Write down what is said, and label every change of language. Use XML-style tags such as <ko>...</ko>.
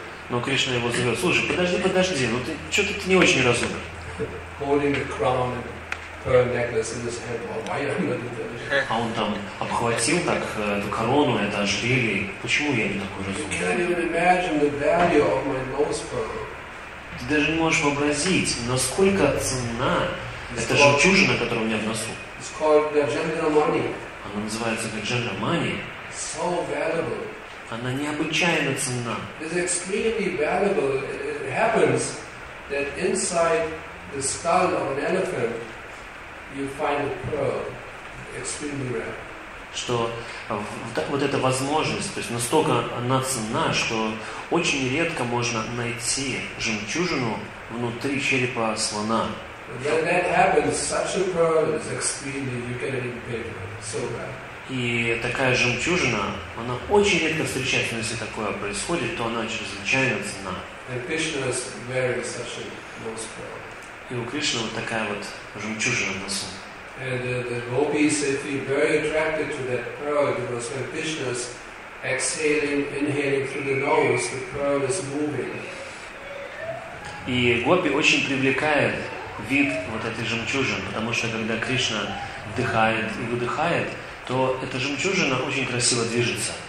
<ru>Но Кришна его зовет, слушай, подожди, ну ты что-то ты не очень разумный.</ru> <en>Holding the crown and pearl necklace in his hand, oh, why am I not intelligent?</en> <ru>А он там обхватил так эту корону, это ожерелье. Почему я не такой разумный?</ru> <en>You can't even imagine the value of my nose pearl.</en> <ru>Ты даже не можешь вообразить, насколько цена эта жемчужина, которая у меня в носу.</ru> <en>It's called Gajendra Mani.</en> <ru>Она называется Gajendra Mani.</ru> <en>So valuable.</en> <ru>Она необычайно ценна.</ru> <en>It's extremely valuable. It happens that inside the skull of an elephant, you find a pearl, extremely rare.</en> <ru>Что вот эта возможность, то есть настолько она ценна, что очень редко можно найти жемчужину внутри черепа слона.</ru> <en>When that happens, such a pearl is extremely, you cannot even pay for it, so rare.</en> <ru>И такая жемчужина, она очень редко встречается, но если такое происходит, то она чрезвычайно ценна.</ru> <en>And Krishna is wearing such a nose pearl.</en> <ru>И у Кришны вот такая вот жемчужина в носу.</ru> <en>And the gopis, they feel very attracted to that pearl, because when Krishna's exhaling, inhaling through the nose, the pearl is moving.</en> <ru>И гопи очень привлекает вид вот этой жемчужины, потому что когда Кришна вдыхает и выдыхает, то эта жемчужина очень красиво движется.</ru>